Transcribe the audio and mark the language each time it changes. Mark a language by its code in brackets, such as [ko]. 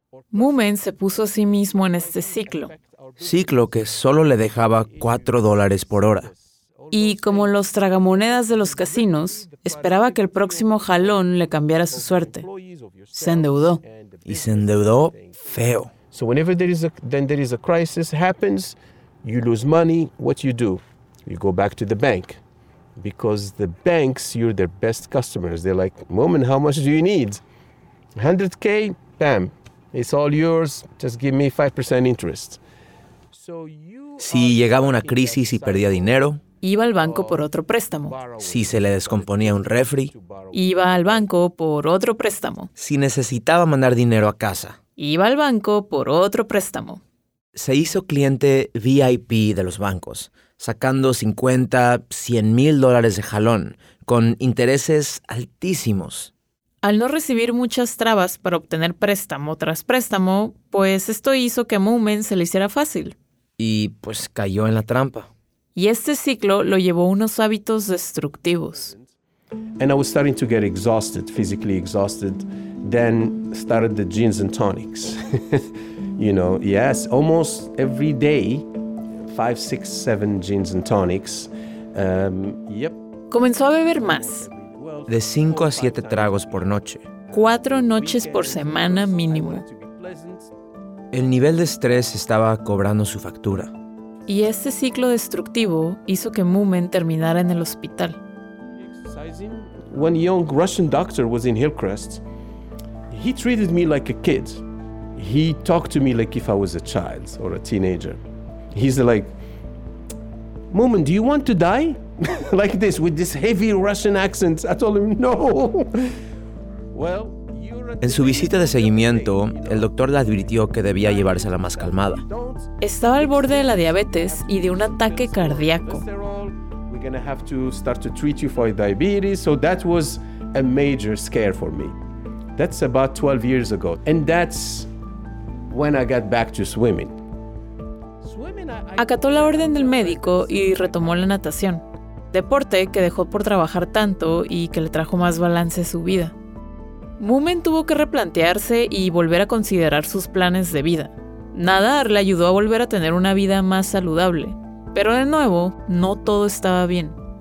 [es] Moomin se puso a sí mismo en este ciclo. Ciclo que solo le dejaba $4 por hora. Y como los tragamonedas de los casinos, esperaba que el próximo jalón le cambiara su suerte. Se endeudó. Y se endeudó feo. [en] So whenever there is a crisis happens, you lose money, what do? You go back to the bank. Because the banks, you're their best customers. They're like, Moomin, how much do you need? 100K, bam. It's all yours, just give me 5% interest. [es] Si llegaba una crisis y perdía dinero, iba al banco por otro préstamo. Si se le descomponía un refri, iba al banco por otro préstamo. Si necesitaba mandar dinero a casa, iba al banco por otro préstamo. Se hizo cliente VIP de los bancos, sacando 50, 100 mil dólares de jalón, con intereses altísimos. Al no recibir muchas trabas para obtener préstamo tras préstamo, pues esto hizo que a Moomin se le hiciera fácil. Y pues cayó en la trampa. Y este ciclo lo llevó a unos hábitos destructivos. [en] And I was starting to get exhausted, physically exhausted. Then started the gins and tonics. You know, yes, almost every day, 5, 6, 7 gins and tonics. Yep. [es] Comenzó a beber más. De 5 a 7 tragos por noche. 4 noches por semana mínimo. El nivel de estrés estaba cobrando su factura. Y este ciclo destructivo hizo que Moomin terminara en el hospital. [en] When a young Russian doctor was in Hillcrest, he treated me like a kid. He talked to me like if I was a child or a teenager. He's like, Moomin, do you want to die? Like this, with this heavy Russian accent. I told him, no. Well, [es] en su visita de seguimiento, el doctor le advirtió que debía llevársela más calmada. Estaba al borde de la diabetes y de un ataque cardíaco. [en] We're going to have to start to treat you for diabetes. So that was a major scare for me. That's about 12 years ago. And that's when I got back to swimming. [es] Acató la orden del médico y retomó la natación. Deporte que dejó por trabajar tanto y que le trajo más balance a su vida. Moomin tuvo que replantearse y volver a considerar sus planes de vida. Nadar le ayudó a volver a tener una vida más saludable, pero de nuevo, no todo estaba bien.